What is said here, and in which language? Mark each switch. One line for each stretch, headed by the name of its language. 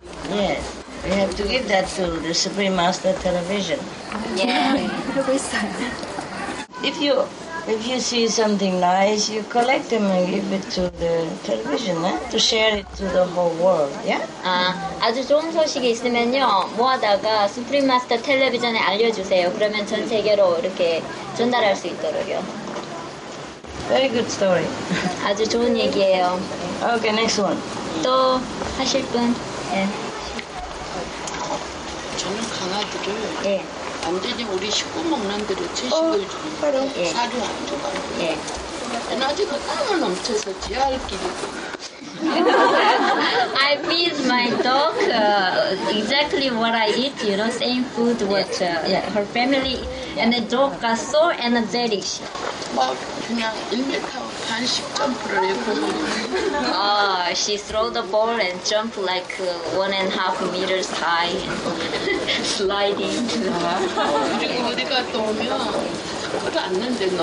English: Yes, we have to give that to the Supreme Master Television. Yeah,
Korean: 그러고 있어요.
English: If you see something nice, you collect them and give it to the television, to share it to the whole world, yeah?
Korean: 아주 좋은 소식이 있으면요, 모아다가 Supreme Master Television에 알려주세요. 그러면 전 세계로 이렇게 전달할 수 있도록요.
English: Very good story.
Korean: 아주 좋은 얘기예요.
English: Okay, next one.
Korean: 또 하실 분? 예. 저는 강아지를. 예. 완전히 우리 식구 먹는 대로 채식을 주고 사료 안 줘가지고 낮에 그 땅을 넘쳐서 지하를 끼리고
English: I feed my dog exactly what I eat, you know, same food with her family. Yeah. And the dog got so energetic. She throw the ball and jump like 1.5 meters high, and sliding.